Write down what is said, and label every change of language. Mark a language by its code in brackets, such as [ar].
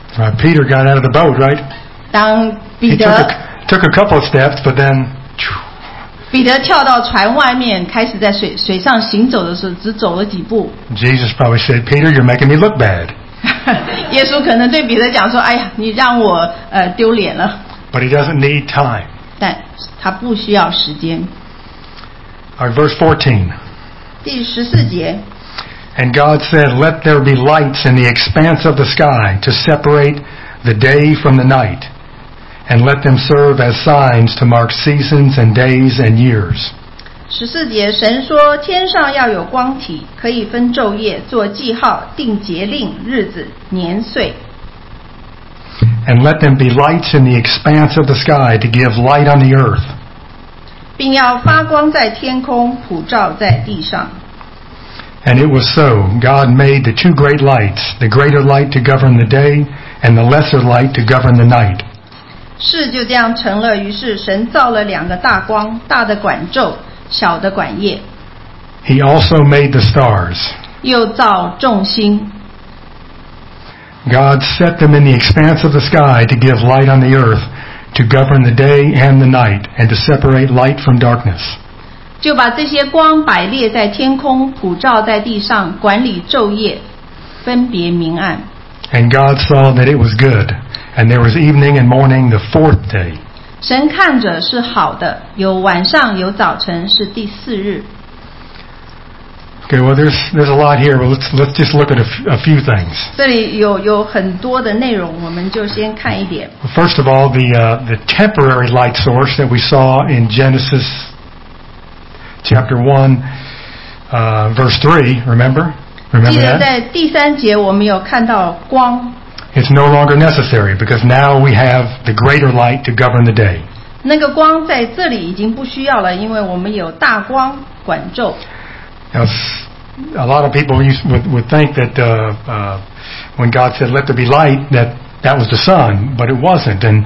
[en] Right, Peter got out of the boat, right? [zh] 当彼得 [en] took a couple of steps, but then [zh] 彼得跳到船外面，开始在水上行走的时候，只走了几步。 [en] Jesus probably said, "Peter, you're making me look bad." [zh] 耶稣可能对彼得讲说：“哎呀，你让我丢脸了。” [en] But he doesn't need time. [zh] 但他不需要时间。 [en] Alright, verse 14. [zh] 第十四节。 [en] And God said, "Let there be lights in the expanse of the sky to separate the day from the night, and let them serve as signs to mark seasons and days and years." [zh] 十四节，神说，天上要有光体，可以分昼夜，做记号，定节令、日子、年岁。 [en] And let them be lights in the expanse of the sky to give light on the earth. [zh] 并要发光在天空，普照在地上。 [en] And it was so. God made the two great lights, the greater light to govern the day, and the lesser light to govern the night. [zh] 事就这样成了，于是神造了两个大光，大的管昼，小的管夜。 [en] He also made the stars. [zh] 又造众星。 [en] God set them in the expanse of the sky to give light on the earth, to govern the day and the night, and to separate light from darkness. [zh] 就把这些光摆列在天空，普照在地上，管理昼夜，分别明暗。 [en] And God saw that it was good, and there was evening and morning the fourth day. [zh] 神看着是好的，有晚上，有早晨，是第四日。 [en] Okay, well, there's a lot here, but let's just look at a few things. [zh] 这里有很多的内容，我们就先看一点。 [en] First of all, the temporary light source that we saw in Genesis chapter 1, verse 3, remember that? [zh] 记得在第三节, 我们有看到光, [en] it's no longer necessary because now we have the greater light to govern the day. [zh] 那个光在这里已经不需要了, 因为我们有大光管昼。 [en] Now, a lot of people would think that when God said, let there be light, that was the sun, but it wasn't.